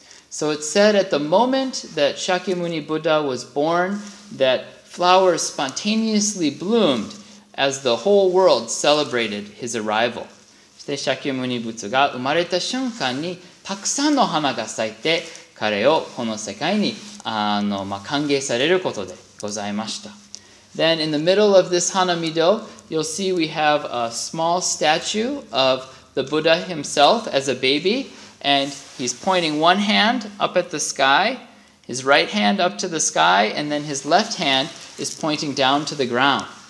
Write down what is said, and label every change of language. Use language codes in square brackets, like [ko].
[en] So it said at the moment that Shakyamuni Buddha was born, that flowers spontaneously bloomed as the whole world celebrated his arrival. [ja] そして釈迦牟尼仏が生まれた瞬間にたくさんの花が咲いて彼をこの世界に歓迎されることでございました。 [en] Then in the middle of this Hanamido, you'll see we have a small statue of the Buddha himself as a baby, and he's pointing one hand up at the sky, his right hand up to the sky, and then his left hand is pointing down to the ground.